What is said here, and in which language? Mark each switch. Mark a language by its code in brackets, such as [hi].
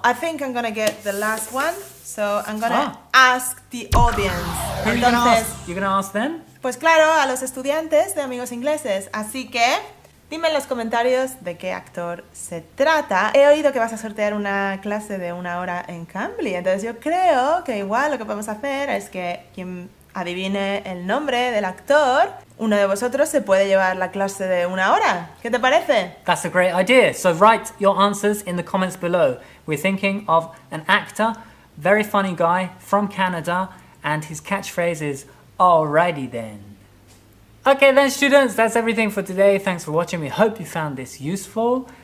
[en] I think I'm gonna get the last one, so I'm gonna ask the audience. You're gonna ask them? [es] Pues claro, a los estudiantes de Amigos Ingleses. Así que, dime en los comentarios de qué actor se trata. He oído que vas a sortear una clase de una hora en Cambly, entonces yo creo que igual lo que podemos hacer es que quien adivine el nombre del actor, uno de vosotros se puede llevar la clase de una hora. ¿Qué te parece? [en] That's a great idea. So write your answers in the comments below. We're thinking of an actor, very funny guy from Canada, and his catchphrase is alrighty then. Okay then, students, that's everything for today. Thanks for watching. We hope you found this useful.